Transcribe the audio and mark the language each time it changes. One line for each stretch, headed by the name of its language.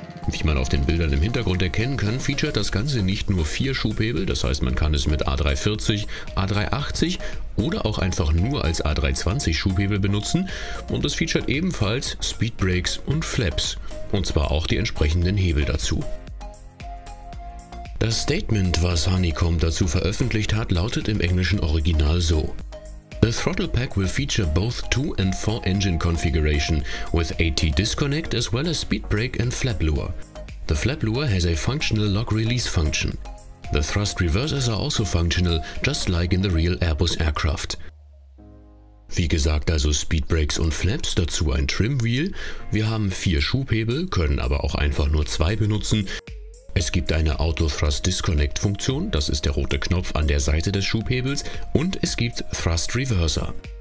German: Wie man auf den Bildern im Hintergrund erkennen kann, featuret das Ganze nicht nur vier Schubhebel, das heißt man kann es mit A340, A380 oder auch einfach nur als A320 Schubhebel benutzen und es featuret ebenfalls Speedbrakes und Flaps und zwar auch die entsprechenden Hebel dazu. Das Statement, was Honeycomb dazu veröffentlicht hat, lautet im englischen Original so.
English: The throttle pack will feature both 2 and 4 engine configuration, with AT disconnect as well as speed brake and flap lure. The flap lure has a functional lock release function. The thrust reversers are also functional, just like in the real Airbus aircraft.
German: Wie gesagt, also Speed Brakes und Flaps, dazu ein Trim Wheel. Wir haben 4 Schubhebel, können aber auch einfach nur 2 benutzen. Es gibt eine Auto Thrust Disconnect Funktion, das ist der rote Knopf an der Seite des Schubhebels, und es gibt Thrust Reverser.